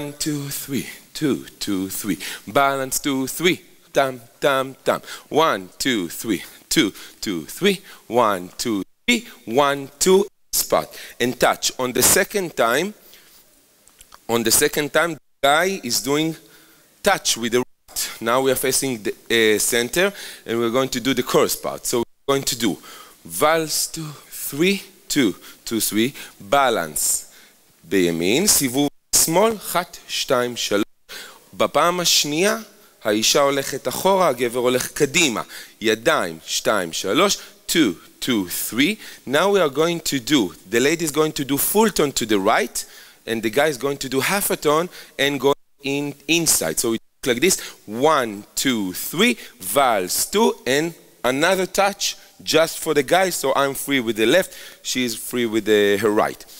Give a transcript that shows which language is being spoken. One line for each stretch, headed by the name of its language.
English: 1-2-3, 2-2-3, balance 2-3, tam tam tam, 1-2-3, 2-2-3, 1-2-3, 1-2, spot and touch. On the second time, on the second time, the guy is doing touch with the right. Now we are facing the center and we're going to do the curse part. So we're going to do valse 2-3, 2-2-3, balance
Hebrew: בימין, סיבוב שמאל,
English: 1-2-3.
Hebrew: בפעם השנייה האישה הולכת אחורה, הגבר הולך קדימה, ידיים 2-3, 2-2-3.
English: Now we are going to do, the lady is going to do full turn to the right and the guy is going to do half a turn and go in inside, so it looks like this, 1-2-3, valse 2 and another touch just for the guy, so I'm free with the left, she is free with the her right.